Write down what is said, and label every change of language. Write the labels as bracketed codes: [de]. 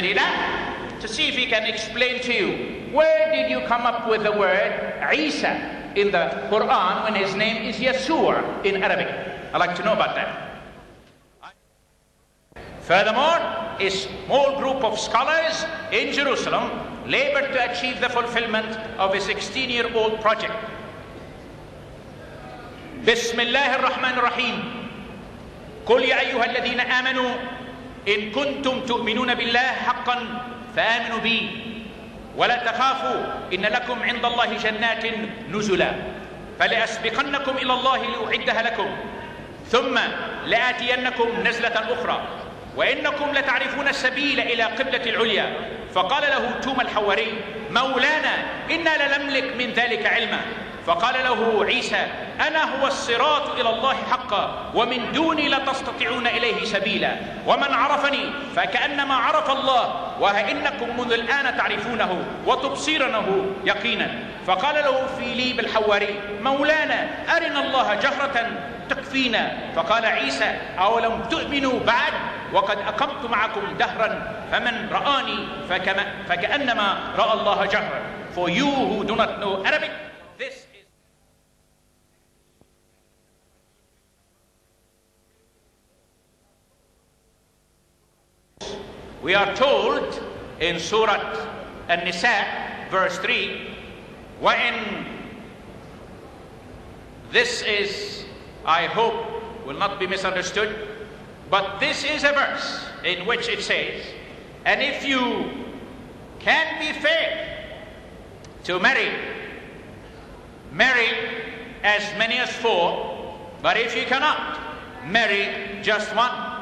[en] Deedat to see if he can explain to you where did you come up with the word Isa in the Quran when his name is Yeshua in Arabic. I'd like to know about that. Furthermore, a small group of scholars in Jerusalem labored to achieve the fulfillment of a 16-year-old project. [ar] Bismillah ar-Rahman ar-Rahim. قل يا أيها الذين آمنوا إن كنتم تؤمنون بالله حقا فآمنوا بي ولا تخافوا إن لكم عند الله جنات نزلا فلأسبقنكم إلى الله ليعدها لكم ثم لآتينكم نزلة أخرى وإنكم لتعرفون السبيل إلى قبلة العليا. فقال له توما الحواري: مولانا إنا لنملك من ذلك علما. فقال له عيسى: أنا هو الصراط إلى الله حقا، ومن دوني لا تستطيعون إليه سبيلا، ومن عرفني فكأنما عرف الله، وإنكم منذ الآن تعرفونه وتبصيرنه يقينا. فقال له فيليب الحواري: مولانا أرنا الله جهرة تكفينا. فقال عيسى: أولم تؤمنوا بعد؟ وقد أقمت معكم دهرا، فمن رآني فكأنما رأى الله جهرا. [en] For you who do not know Arabic, this is... We are told in Surah An-Nisa, verse 3, when this is, I hope, will not be misunderstood, but this is a verse in which it says, and if you can be fair to marry, marry as many as four, but if you cannot, marry just one.